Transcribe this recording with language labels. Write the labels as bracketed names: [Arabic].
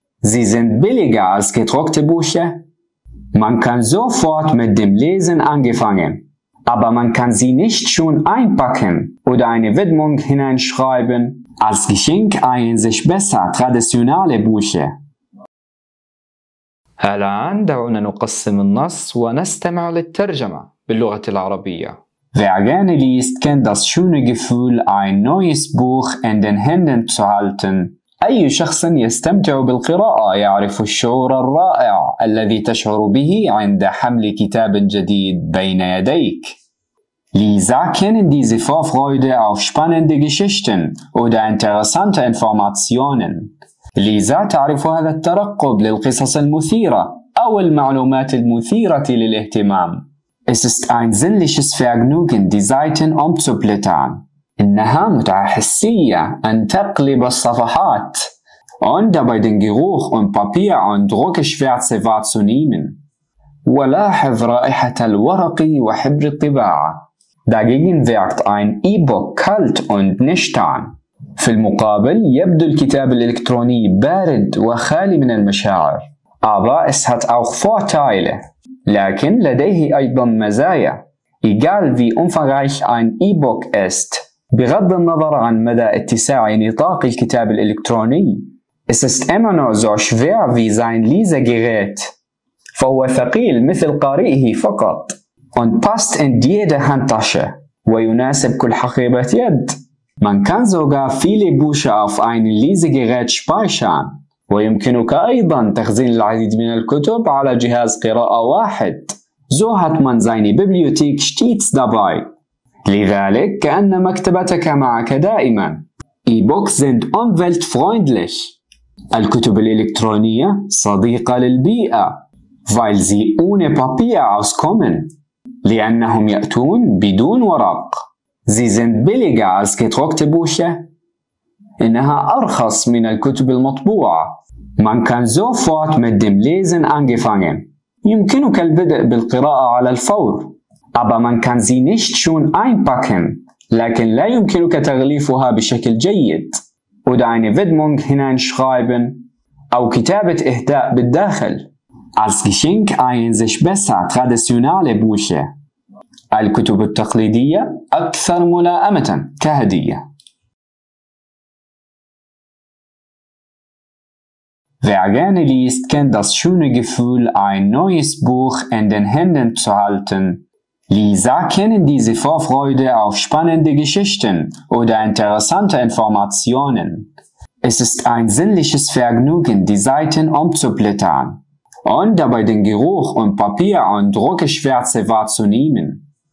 [German] Sie sind billiger als gedruckte Bücher. Man kann sofort mit dem Lesen anfangen, aber man kann sie nicht schon einpacken oder eine Widmung hineinschreiben. Als Geschenk eignen sich besser traditionelle Bücher. [Arabic] الآن دعونا نقسم النص ونستمع للترجمة باللغة العربية. [German] Wer gerne liest, kennt das schöne Gefühl, ein neues Buch in den Händen zu halten. [Arabic] أي شخص يستمتع بالقراءة يعرف الشعور الرائع الذي تشعر به عند حمل كتاب جديد بين يديك. [German] Lisa kennen diese Vorfreude auf spannende Geschichten oder interessante Informationen. [Arabic] ليزا تعرف هذا الترقب للقصص المثيرة أو المعلومات المثيرة للاهتمام. [German] Es ist ein sinnliches Vergnügen, die Seiten umzublättern. [Arabic] إنها متعة حسية أن تقلب الصفحات [German] und dabei den Geruch und Papier und Druckschwärze wahrzunehmen. [Arabic] ولاحظ رائحة الورق وحبر الطباعة. [German] Dagegen wirkt ein E-Book kalt und nüchtern. [Arabic] في المقابل يبدو الكتاب الإلكتروني بارد وخالي من المشاعر. [German] Aber es hat auch Vorteile. [Arabic] لكن لديه أيضا مزايا. [German] Egal wie umfangreich ein E-Book ist, [Arabic] بغض النظر عن مدى اتساع نطاق الكتاب الإلكتروني, [German] es ist immer noch so schwer wie sein Lesegerät. [Arabic] فهو ثقيل مثل قارئه فقط. [German] Und passt in jede Handtasche. [Arabic] ويناسب كل حقيبة يد. [German] Man kann sogar viele Bücher auf ein Lesegerät speichern. [Arabic] ويمكنك أيضا تخزين العديد من الكتب على جهاز قراءة واحد. [German] So hat man seine Bibliothek stets dabei. [Arabic] لذلك كأن مكتبتك معك دائما. [German] E-Books sind umweltfreundlich. [Arabic] الكتب الإلكترونية صديقة للبيئة. [German] Weil sie ohne Papier auskommen. [Arabic] لأنهم يأتون بدون ورق. [German] Sie sind billiger als gedruckte Bücher. [Arabic] إنها أرخص من الكتب المطبوعة. [German] Man kann sofort mit dem Lesen anfangen. [Arabic] يمكنك البدء بالقراءة على الفور. [German] Aber man kann sie nicht schon einpacken. [Arabic] لكن لا يمكنك تغليفها بشكل جيد. [German] Oder eine Widmung hineinschreiben. [Arabic] أو كتابة إهداء بالداخل. [German] Als Geschenk eignen sich besser traditionelle Bücher. [Arabic] الكتب التقليدية أكثر ملائمة كهدية. [German] Wer gerne liest, kennt das schöne Gefühl, ein neues Buch in den Händen zu halten. Lisa kennen diese Vorfreude auf spannende Geschichten oder interessante Informationen. Es ist ein sinnliches Vergnügen, die Seiten umzublättern und dabei den Geruch und Papier und Druckschwärze wahrzunehmen.